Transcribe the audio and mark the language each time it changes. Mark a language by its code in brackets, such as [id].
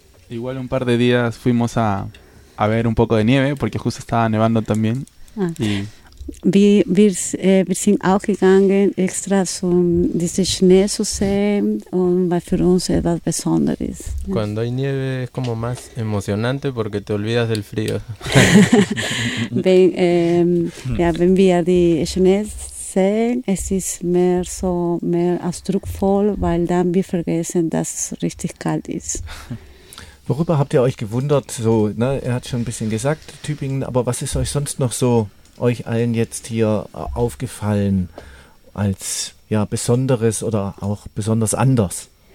[es] Igual un par de días fuimos a ver un poco de nieve, porque justo estaba nevando también. [de] Wir sind auch gegangen, extra um diese Schnee zu sehen, und weil für uns etwas Besonderes ist. [es] Cuando hay nieve es como más emocionante porque te olvidas del frío. [de] wenn wir die Schnee sehen, es ist mehr ausdrucksvoll, weil dann wir vergessen, dass es richtig kalt ist. Worüber habt ihr euch gewundert? So, ne, er hat schon ein bisschen gesagt, Tübingen, aber was ist euch sonst noch so euch allen jetzt hier aufgefallen als ja Besonderes oder auch besonders anders?